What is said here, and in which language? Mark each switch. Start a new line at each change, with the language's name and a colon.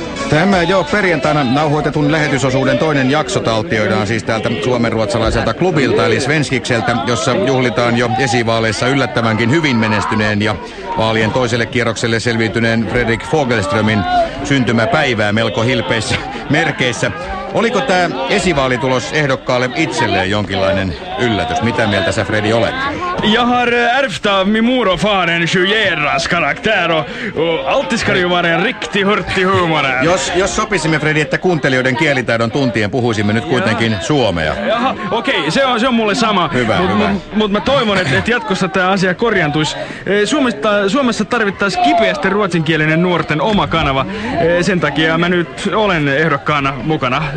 Finnish: Tämä jo perjantaina nauhoitetun lähetysosuuden toinen jakso taltioidaan siis täältä suomenruotsalaiselta klubilta eli Svenskikseltä, jossa juhlitaan jo esivaaleissa yllättävänkin hyvin menestyneen ja vaalien toiselle kierrokselle selviytyneen Fredrik Fogelströmin syntymäpäivää melko hilpeissä merkeissä. Oliko tämä esivaalitulos ehdokkaalle itselleen jonkinlainen yllätys? Mitä mieltä sä, Fredi, olet?
Swedish: Jag har ärvt av min mor och far en sjujeras karaktär och alltid ska ju vara en riktig hurtig humor.
Finnish: Jos sopisimme, Fredi, että kuuntelijoiden kielitaidon tuntien puhuisimme nyt kuitenkin suomea. Jaha, okei, se on mulle sama. Hyvä, mutta mä toivon, että jatkossa tämä asia korjantuisi. Suomessa tarvittaisiin kipeästi ruotsinkielinen nuorten oma kanava. Sen takia mä nyt olen ehdokkaana mukana.